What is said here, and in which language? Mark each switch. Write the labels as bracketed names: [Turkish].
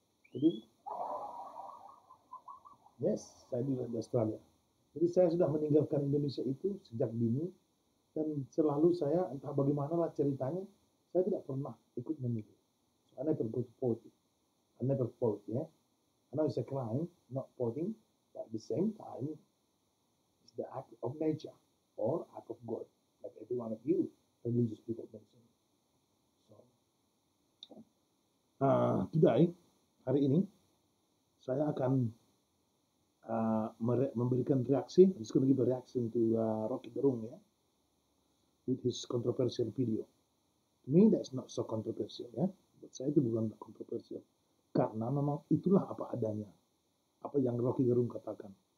[Indonesian] Jadi, yes, saya sudah di Australia. Jadi saya sudah meninggalkan Indonesia itu sejak dini, dan selalu saya, entah bagaimana lah ceritanya, saya tidak pernah ikut memilih. [English] So, I never go to voting. I never vote, ya. Yeah? I know it's a crime, not voting, but at the same time, it's the act of nature, or act of God. Every one of you religious people mention. So, today, [Indonesian] hari ini, saya akan memberikan reaksi. [English] I'm going to give a reaction to Rocky Gerung, yeah, with his controversial video. To me, that's not so controversial, yeah. [Indonesian] But saya itu bukan controversial, karena memang itulah apa adanya, apa yang Rocky Gerung katakan.